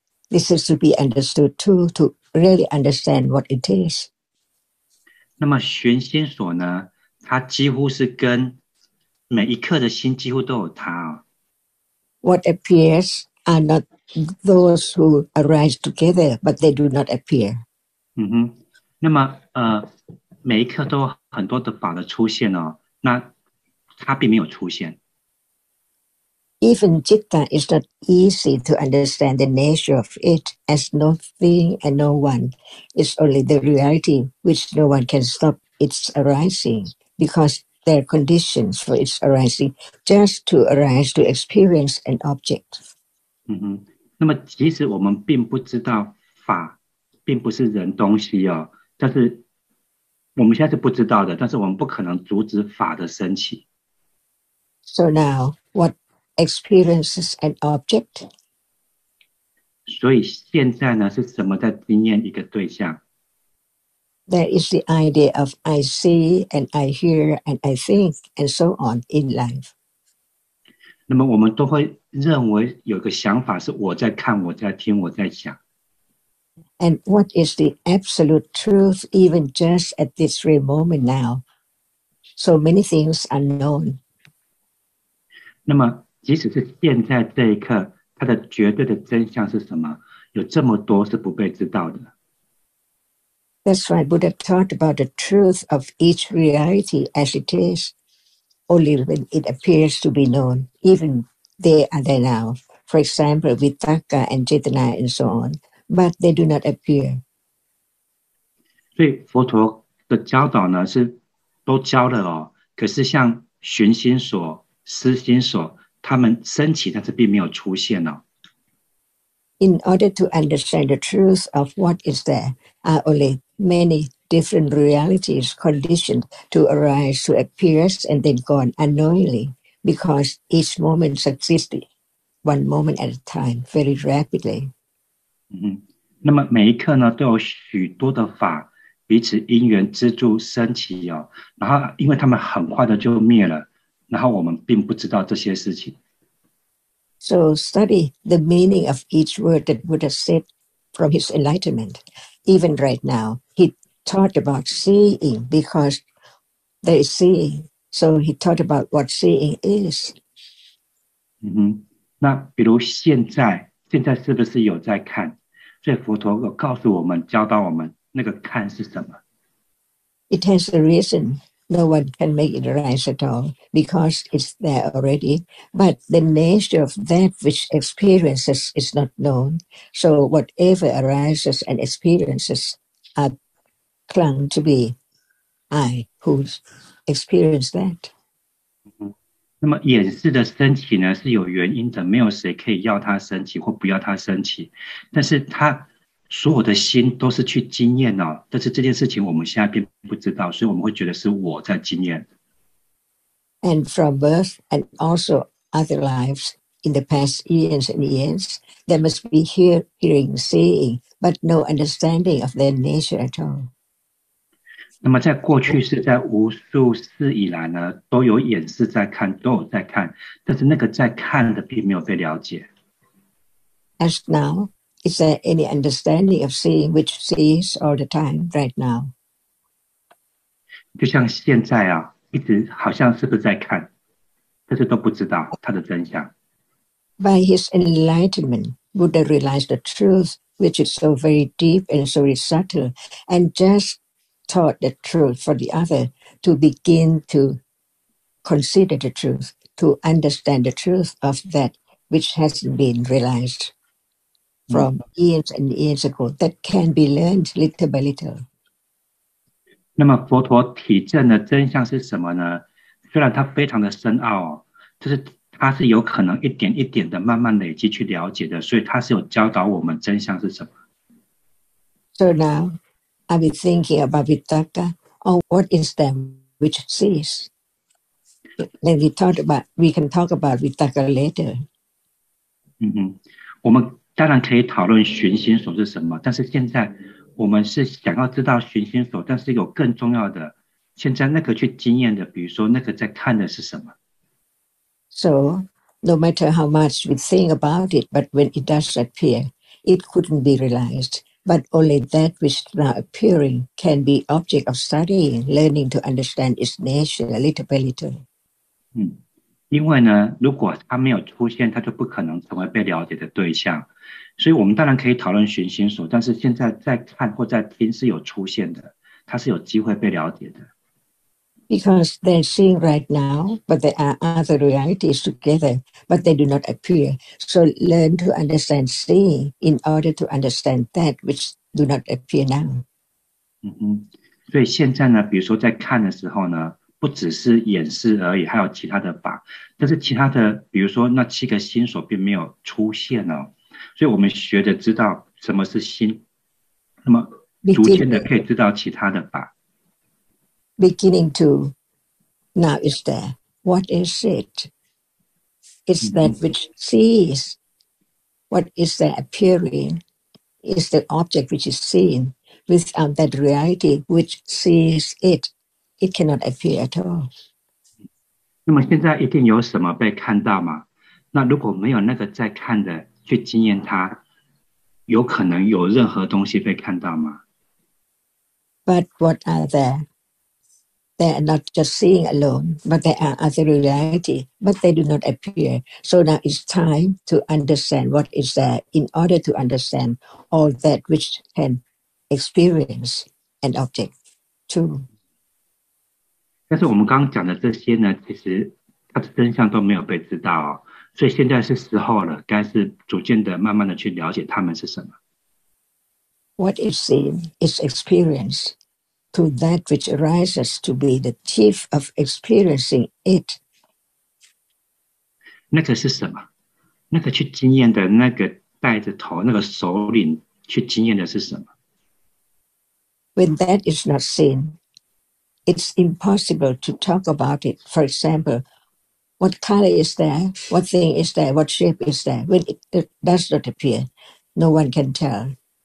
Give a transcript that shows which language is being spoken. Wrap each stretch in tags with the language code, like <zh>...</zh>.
<en>This is to be understood too, to really understand what it is.</en> <zh>那么寻心所呢？它几乎是跟每一刻的心几乎都有它哦。</zh> <en>What appears are not those who arise together, but they do not appear.</en> <zh>嗯哼，那么每一刻都有很多的法的出现哦，那它并没有出现。</zh> <en>Even citta is not easy to understand the nature of it as nothing and no one. It's only the reality which no one can stop its arising because there are conditions for its arising just to arise to experience an object.</en> <zh>嗯哼，那么即使我们并不知道法并不是人东西哦，但是我们现在是不知道的，但是我们不可能阻止法的升起。</zh> <en>So now, what? Experiences an object.</en> <zh>所以现在呢，是什么在经验一个对象？</zh> <en>There is the idea of I see and I hear and I think and so on in life.</en> <zh>那么我们都会认为有个想法是我在看，我在听，我在想。</zh> <en>And what is the absolute truth even just at this very moment now? So many things are known.</en> <zh>那么即使是现在这一刻，它的绝对的真相是什么？有这么多是不被知道的。</zh> <en>That's why Buddha taught about the truth of each reality as it is, only when it appears to be known, even there and there now. For example, vitakka and jetana and so on, but they do not appear.</en> <zh>所以佛陀的教导呢，是都教了哦，可是像寻心所、思心所。他们升起，但是并没有出现哦。</zh> <en>In order to understand the truth of what is there, are only many different realities conditioned to arise, to appear, and then gone unknowingly, because each moment subsists, one moment at a time, very rapidly.</en> <zh>嗯，那么每一刻呢，都有许多的法彼此因缘资助升起哦，然后因为他们很快的就灭了。然后我们并不知道这些事情。</zh> <en>So study the meaning of each word that Buddha said from his enlightenment. Even right now, he taught about seeing because there is seeing. So he taught about what seeing is.</en> <zh>嗯哼，那比如现在是不是有在看？所以佛陀有告诉我们，教导我们那个看是什么。</zh> <en>It has a reason. No one can make it arise at all because it's there already. But the nature of that which experiences is not known. So whatever arises and experiences are clung to be I who experience that.</en> <zh>那么眼识的升起呢是有原因的，没有谁可以要它升起或不要它升起。但是它所有的心都是去经验哦，但是这件事情我们现在并不知道，所以我们会觉得是我在经验。</zh> <en>And from birth and also other lives in the past eons and years, there must be hearing, seeing, but no understanding of their nature at all.</en> <zh>那么在过去是在无数世以来呢，都有眼识在看，都有在看，但是那个在看的并没有被了解。</zh> <en>As now. Is there any understanding of seeing which sees all the time right now?</en> <zh>就像现在啊，一直好像是不是在看，但是都不知道它的真相。</zh> <en>By his enlightenment, Buddha realized the truth, which is so very deep and so subtle, and just taught the truth for the other to begin to consider the truth, to understand the truth of that which hasn't been realized. from years and years ago that can be learned little by little.</en> <zh>那么佛陀体证的真相是什么呢？虽然它非常的深奥，就是它是有可能一点一点的慢慢累积去了解的， 所以它是有教导我们真相是什么。</zh> <en>So now, I've been thinking about Vitakka, or what is that which sees? Then we can talk about Vitakka later.</en> <zh>我们当然可以讨论寻心所是什么， 但是现在我们是想要知道寻心所， 但是有更重要的， 现在那个去经验的， 比如说那个在看的是什么。</zh> <en>So, no matter how much we think about it, but when it does appear, it couldn't be realized. But only that which is now appearing can be object of studying, learning to understand its nature little by little.</en> <zh>因为呢, 如果它没有出现, 它就不可能成为被了解的对象。所以我们当然可以讨论寻心所, 但是现在在看或在听是有出现的, 它是有机会被了解的。</zh> <en>Because they're seeing right now, but there are other realities together, but they do not appear. So learn to understand seeing in order to understand that which do not appear now.</en> <zh>所以现在呢, 比如说在看的时候呢, 不只是掩饰而已, 还有其他的法, 但是其他的, 比如说那七个心所并没有出现哦, 所以我们学着知道什么是心, 那么逐渐的可以知道其他的法。</zh> <en>Beginning to, now is there. What is it? It's that which sees. What is there appearing? It's the object which is seen. Without that reality which sees it, it cannot appear at all.</en> <zh>那么现在一定有什么被看到吗?那如果没有那个在看的去经验它, 有可能有任何东西被看到吗?</zh> <en>But what are there? They are not just seeing alone, but there are other reality, but they do not appear. So now it's time to understand what is there in order to understand all that which can experience an object too.</en> <zh>但是我们刚刚讲的这些呢, 其实它的真相都没有被知道哦, 所以现在是时候了, 该是逐渐的慢慢的去了解它们是什么。</zh> <en>What is seen is experience. To that which arises to be the chief of experiencing it.</en> <zh>那个是什么? 那个去经验的那个带着头, 那个首领去经验的是什么?</zh> <en>When that is not seen, it's impossible to talk about it. For example, what color is there? What thing is there? What shape is there? When it does not appear, no one can tell.</en>